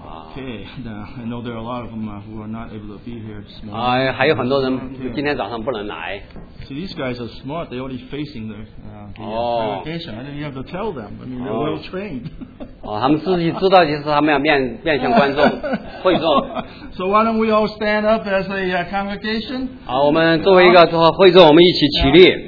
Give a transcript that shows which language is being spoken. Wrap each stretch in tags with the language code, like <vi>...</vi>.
<en>Okay, I know there are a lot of them who are not able to be here this morning.</en> <zh>还有很多人今天早上不能来。</zh> <en>See, these guys are smart. They're already facing the congregation. I didn't have to tell them. I mean, they're well trained.</en> <zh>他们自己知道就是他们要面向观众、会众。</zh> <en>So why don't we all stand up as a congregation?</en> <zh>我们作为一个会众，我们一起起立。</zh>